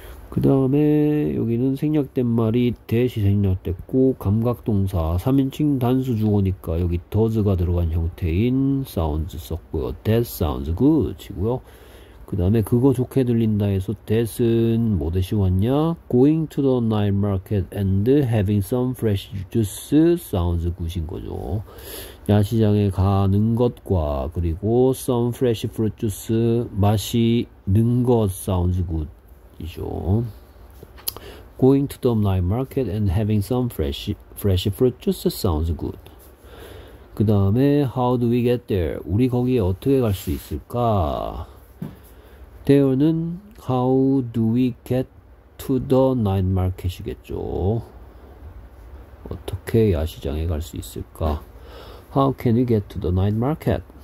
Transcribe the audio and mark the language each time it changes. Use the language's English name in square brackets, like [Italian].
[Korean] 그 다음에 여기는 생략된 말이 대시 생략됐고 감각동사 3인칭 단수 주어니까 여기 does가 들어간 형태인 sounds 썼고요. [English] That sounds good [Korean] 치고요. 그 다음에 그거 좋게 들린다 해서 that은 뭐 대신 왔냐? [English] Going to the night market and having some fresh juice sounds good [Korean] 인 거죠. 야시장에 가는 것과 그리고 [English] some fresh fruit juice [Korean] 맛이 는것 [English] sounds good. [Korean] 이죠. [English] Going to the night market and having some fresh fruit juice sounds good. [Korean] 그 다음에 [English] how do we get there? [Korean] 우리 거기에 어떻게 갈수 있을까? [English] There는 how do we get to the night market [Korean] 이겠죠. 어떻게 야시장에 갈수 있을까? [English] How can we get to the night market?